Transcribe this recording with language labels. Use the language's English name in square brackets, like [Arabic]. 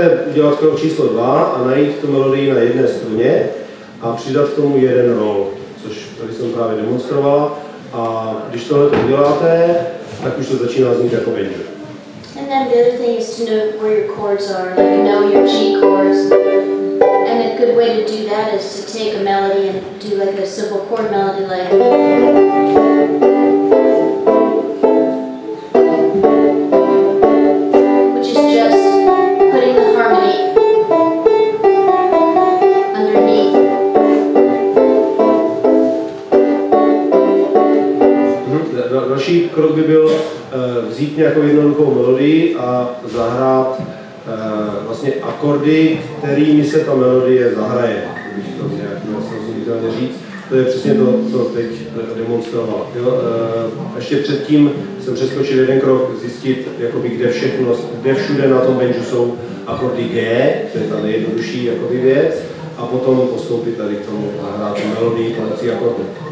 [Czech] udělat krok číslo 2 a najít tu melodii na jedné struně a přidat k tomu jeden roll, což tady jsem právě demonstroval. A když tohle to uděláte, tak už to začíná znít jako banjo. [English] And then the other thing is to know where your chords are, like know your G chords. And a good way to do that is to take a melody and do like a simple chord melody like... Which is just putting the harmony underneath. [Czech] Další krok by byl vzít nějakou jednoduchou melodii a zahrát vlastně akordy, kterými se ta melodie zahraje, když to nějak srozumitelně říct. To je přesně to, co teď demonstroval. Ještě předtím jsem přeskočil jeden krok, zjistit, jakoby, kde všude na tom banjo jsou akordy G, to je ta nejjednodušší jakoby, věc, a potom postoupit tady k tomu a hrát tu melodii pomocí akordů.